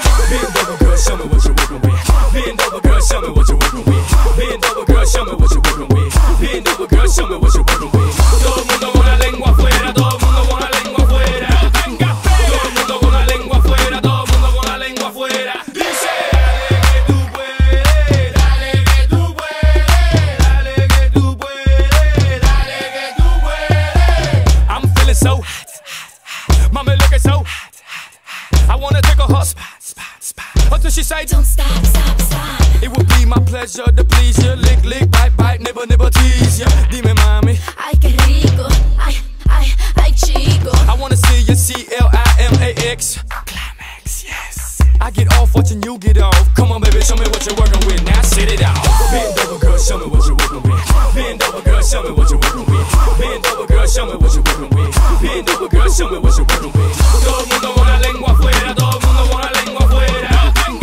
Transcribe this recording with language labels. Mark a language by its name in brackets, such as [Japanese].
[English] Being double girl, show me what you're working with. Being double girl, show me what you're working with. Being double girl, show me what you're working with. Being double girl, show me what you're working with. [Spanish] Todo el mundo con la lengua afuera, todo el mundo con la lengua afuera. Todo el mundo con la lengua afuera, todo el mundo con la lengua afuera. Dice, dale que tú puedes, dale que tú puedes, dale que tú puedes, dale que tú puedes. [English] I'm feeling so hot. Mama looking so hot, hot, hot. I wanna take a hot spot, spot, spot. Until she say, don't stop, stop, stop. It would be my pleasure to please you. Lick, lick, bite, bite, nibble, nibble, tease you. [Spanish] Dime, mami. Ay, que rico. Ay, ay, ay, chico. [English] I wanna see you C-L-I-M-A-X. Climax, yes. I get off watching you get off. Come on, baby, show me what you're working with. Now sit it out. Bend over, girl, show me what you're working with. Bend over, girl, show me what you're working with. Bend over, girl, show me what you're working with. Bend over, girl, show me what you're working with. [Spanish] Todo el mundo con la lengua afuera. Todo el mundo con la lengua afuera.